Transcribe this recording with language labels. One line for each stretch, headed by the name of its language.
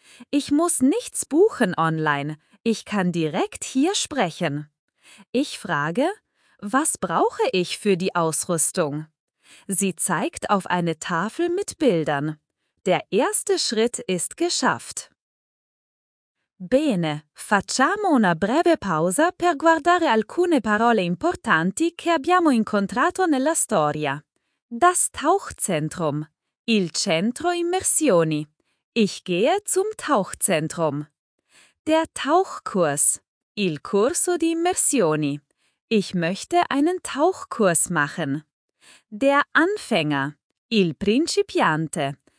German: Ich muss nichts buchen online, ich kann direkt hier sprechen. Ich frage: Was brauche ich für die Ausrüstung? Sie zeigt auf eine Tafel mit Bildern. Der erste Schritt ist geschafft.
Italian: Bene, facciamo una breve pausa per guardare alcune parole importanti che abbiamo incontrato nella storia.
German: Das Tauchzentrum,
Italian: il centro immersioni.
German: Ich gehe zum Tauchzentrum. Der Tauchkurs.
Italian: Il corso di immersioni.
German: Ich möchte einen Tauchkurs machen. Der Anfänger.
Italian: Il principiante.